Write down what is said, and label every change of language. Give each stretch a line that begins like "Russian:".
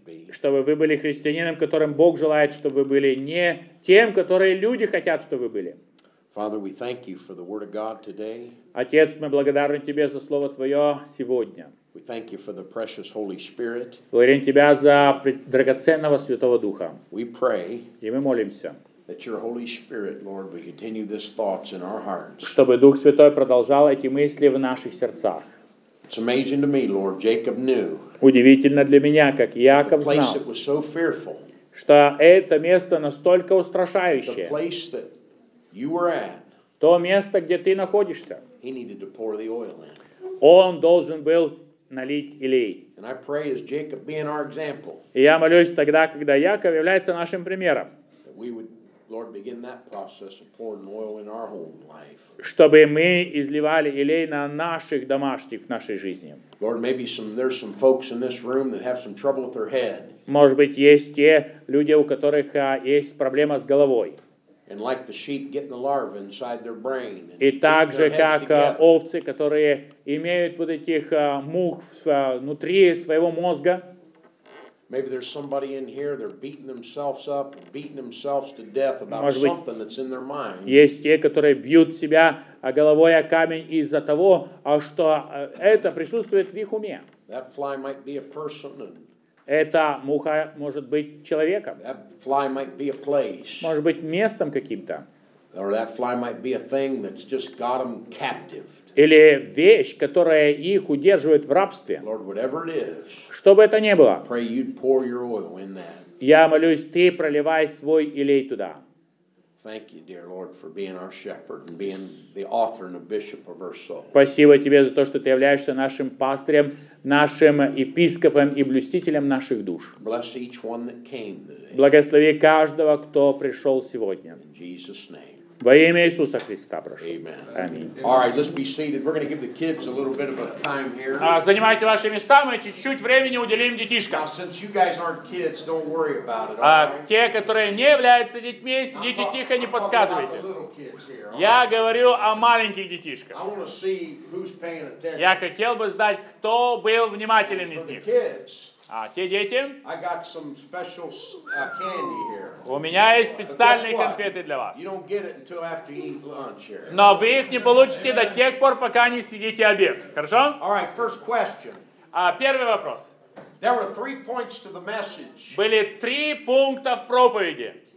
Russian: Чтобы вы были христианином, которым Бог желает, чтобы вы были, не тем, которые люди хотят, чтобы вы были. Отец, мы благодарны Тебе за Слово Твое сегодня.
English: We thank you for the precious Holy Spirit.
Russian: Благодарим Тебя за драгоценного Святого Духа.
English: We pray.
Russian: И мы молимся.
English: That your Holy Spirit, Lord, will continue these thoughts in our hearts.
Russian: Чтобы Дух Святой продолжал эти мысли в наших сердцах.
English: It's amazing to me, Lord, Jacob knew.
Russian: Удивительно для меня, как Яков знал.
English: The place that was so fearful.
Russian: Что это место настолько устрашающее.
English: The place that you were at.
Russian: То место, где ты находишься.
English: He needed to pour the oil in.
Russian: Он должен был налить елей.
English: And I pray as Jacob being our example.
Russian: И я молюсь тогда, когда Яков является нашим примером.
English: We would, Lord, begin that process of pouring oil in our home life.
Russian: Чтобы мы изливали елей на наших домашних, в нашей жизни.
English: Lord, maybe there's some folks in this room that have some trouble with their head.
Russian: Может быть, есть те люди, у которых есть проблема с головой.
English: And like the sheep getting the larvae inside their brain.
Russian: И также как овцы, которые имеют вот этих мух внутри своего мозга.
English: Maybe there's somebody in here, they're beating themselves up, beating themselves to death about something that's in their mind.
Russian: Есть те, которые бьют себя головой о камень из-за того, что это присутствует в их уме.
English: That fly might be a person.
Russian: Эта муха может быть человеком.
English: That fly might be a place.
Russian: Может быть, местом каким-то.
English: Or that fly might be a thing that's just got them captive.
Russian: Или вещь, которая их удерживает в рабстве.
English: Lord, whatever it is.
Russian: Что бы это ни было.
English: Pray you'd pour your oil in that.
Russian: Я молюсь, ты проливай свой елей туда.
English: Thank you, dear Lord, for being our shepherd and being the author and the bishop of our soul.
Russian: Спасибо тебе за то, что ты являешься нашим пастырем, нашим епископом и блюстителем наших душ.
English: Bless each one that came today.
Russian: Благослови каждого, кто пришел сегодня.
English: In Jesus' name.
Russian: Во имя Иисуса Христа прошу.
English: Amen.
Russian: Аминь.
English: All right, let's be seated. We're going to give the kids a little bit of a time here.
Russian: Занимайте ваши места, мы чуть-чуть времени уделим детишкам.
English: Now, since you guys aren't kids, don't worry about it.
Russian: Те, которые не являются детьми, сидите тихо, не подсказывайте. Я говорю о маленьких детишках.
English: I want to see who's paying attention.
Russian: Я хотел бы знать, кто был внимателен из них. Те дети?
English: I got some special candy here.
Russian: У меня есть специальные конфеты для вас.
English: You don't get it until after you eat lunch here.
Russian: Но вы их не получите до тех пор, пока не съедите обед. Хорошо?
English: All right, first question.
Russian: Первый вопрос.
English: There were three points to the message.
Russian: Были три пункта в проповеди.